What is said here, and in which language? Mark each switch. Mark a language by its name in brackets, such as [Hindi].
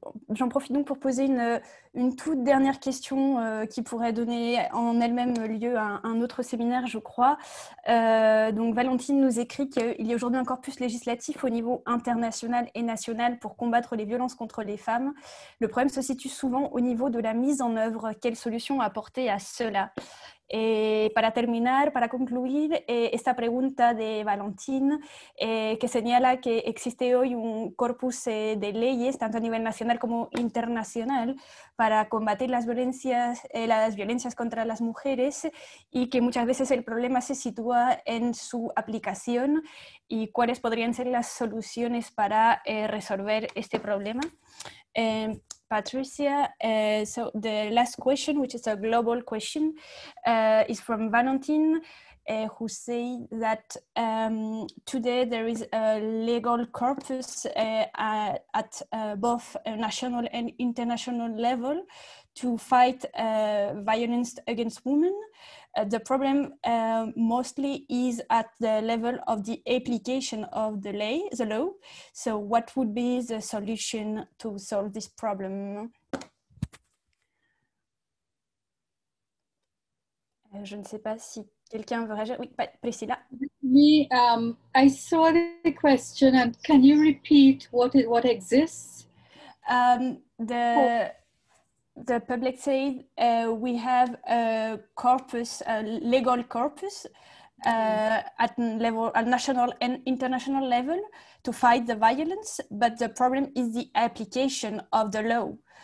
[French] J'en profite donc pour poser une toute dernière question qui pourrait donner en elle-même lieu à un autre séminaire, je crois. Donc Valentine nous écrit qu'il y a aujourd'hui un corpus législatif au niveau international et national pour combattre les violences contre les femmes. Le problème se situe souvent au niveau de la mise en œuvre. Quelle solution apporter à cela ? [Spanish] Et para terminar, para concluir, esta pregunta de Valentine, que señala que existe hoy un corpus de leyes, tanto a nivel nacional como internacional, para combatir las violencias contra las mujeres, y que muchas veces el problema se sitúa en su aplicación, y cuáles podrían ser las soluciones para resolver este problema. [English] Patricia, so the last question, which is a global question, is from Valentin, who say that today there is a legal corpus at both national and international level to fight violence against women. The problem mostly is at the level of the application of the law. So what would be the solution to solve this problem? [French] Je ne sais pas si quelqu'un veut réagir. Oui, Priscilla. [English] Me, I saw the question, and can you repeat what exists? The public say we have a corpus, a legal corpus at national and international level to fight the violence, but the problem is the application of the law.